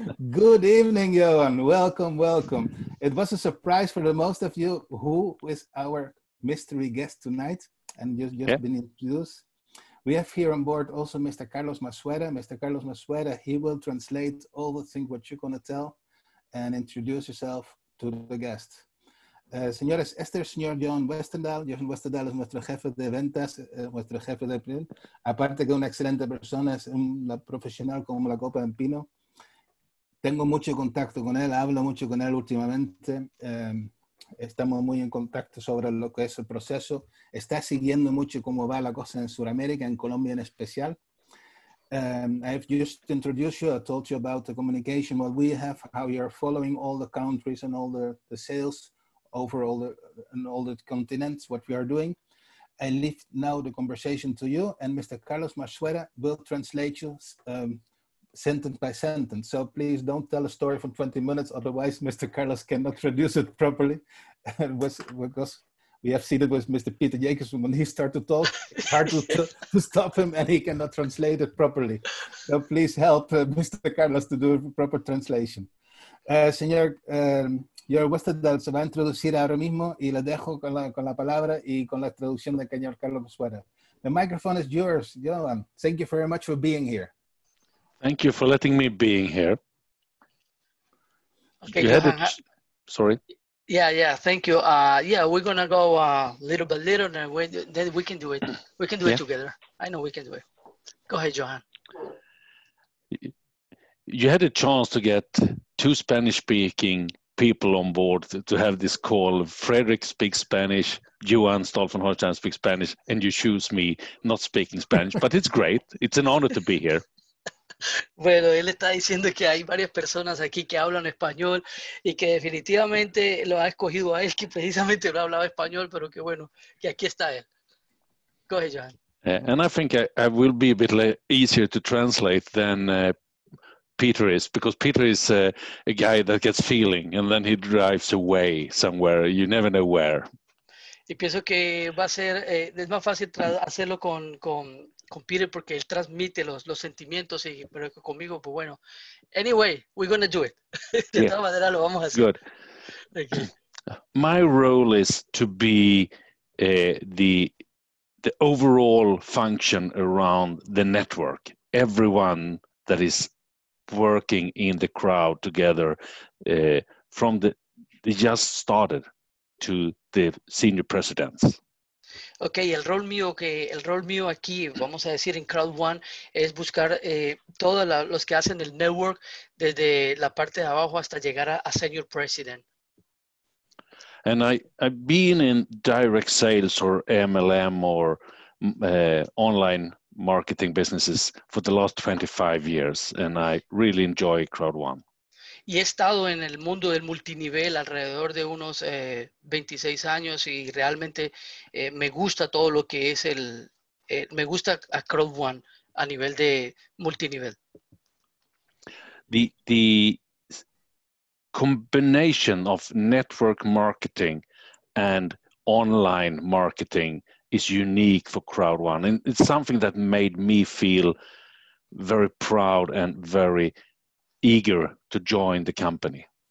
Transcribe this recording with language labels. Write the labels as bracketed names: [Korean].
[English] Good evening, Johan. Welcome, welcome. It was a surprise for the most of you who is our mystery guest tonight and just been introduced. We have here on board also Mr. Carlos Masuera. Mr. Carlos Masuera, he will translate all the things what you're going to tell and introduce yourself to the guest. [Spanish] Señores, este es el señor Johan Westerdahl. Johan Westerdahl es nuestro jefe de ventas, nuestro jefe de print. Aparte que es una excelente persona, es un profesional como la copa de pino. Tengo mucho contacto con él, hablo mucho con él últimamente. Estamos muy en contacto sobre lo que es el proceso. Está siguiendo mucho cómo va la cosa en Sudamérica, en Colombia en especial. [English] I've just introduced you, I told you about the communication, what we have, how you're following all the countries and all the sales over all the continents, what we are doing. I leave now the conversation to you, and Mr. Carlos Masuera will translate you sentence by sentence. So please don't tell a story for 20 minutes, otherwise Mr. Carlos cannot introduce it properly. Because we have seen it with Mr. Peter Jacobson, when he starts to talk, it's hard to stop him and he cannot translate it properly. So please help Mr. Carlos to do a proper translation. [Spanish] Señor, Señor Westerdahl se va a introducir ahora mismo y le dejo con la palabra y con la traducción de señor Carlos Masuera. [English] The microphone is yours, Johan. Thank you very much for being here. Thank you for letting me being here. Okay, you had sorry. Yeah, thank you. We're going to go a little by little and then we can do it. We can do it together. I know we can do it. Go ahead, Johan. You had a chance to get two Spanish-speaking people on board to have this call. Frederick speaks Spanish, Johan Stolfenholstein speaks Spanish, and you choose me not speaking Spanish, but it's great. It's an honor to be here. [Spanish] Bueno, él está diciendo que hay varias personas aquí que hablan español y que definitivamente lo ha escogido a él, que precisamente no hablaba español, pero que bueno, que aquí está él. [English] Go ahead, Johan. And I think I will be a bit easier to translate than Peter is, because Peter is a guy that gets feeling and then he drives away somewhere. You never know where. [Spanish] Y pienso que va a ser, es más fácil hacerlo con Peter porque él transmite los sentimientos, y, pero conmigo, pues bueno. [English] Anyway, we're going to do it. [Spanish] De todas maneras lo vamos a hacer. [English] Good. Okay. My role is to be the overall function around the network. Everyone that is working in the crowd together from the just started to the senior presidents. Okay, el rol mío aquí, vamos a decir, en Crowd1 es buscar todos los que hacen el network desde la parte de abajo hasta llegar a senior president. And I've been in direct sales or MLM or online marketing businesses for the last 25 years, and I really enjoy Crowd1. [Spanish] Y he estado en el mundo del multinivel alrededor de unos 26 años, y realmente me gusta todo lo que es el me gusta a Crowd1 a nivel de multinivel. [English] The combination of network marketing and online marketing is unique for Crowd1, and it's something that made me feel very proud and very eager to join the company.